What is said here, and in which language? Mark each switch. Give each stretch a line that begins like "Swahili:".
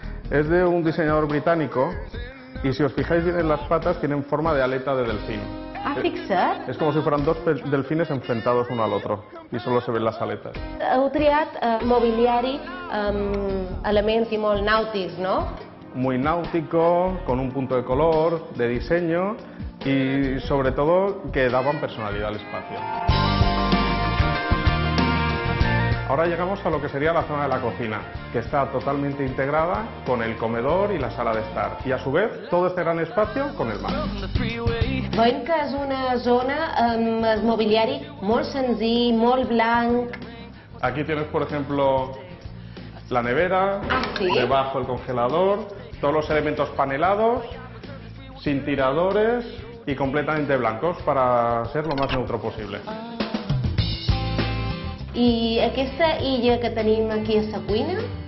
Spanish: Es de un diseñador británico y si os fijáis bien en las patas tienen forma de aleta de delfín.
Catalan: ¿Ha fixat?
Spanish: Es como si fueran dos delfines enfrentados uno al otro y solo se ven las aletas.
Catalan: Heu triat mobiliari amb elements i molt nàutics, no?
Spanish: Muy náutico, con un punto de color, de diseño y sobre todo que daban personalidad al espacio. Ahora llegamos a lo que sería la zona de la cocina, que está totalmente integrada con el comedor y la sala de estar. Y a su vez, todo este gran espacio con el bar.
Catalan: Veiem que es una zona amb mobiliari molt senzill, molt blanc.
Spanish: Aquí tienes, por ejemplo, la nevera, debajo el congelador, todos los elementos panelados, sin tiradores y completamente blancos para ser lo más neutro posible.
Catalan: ¿Y aquesta illa que tenim aquí, esta cuina?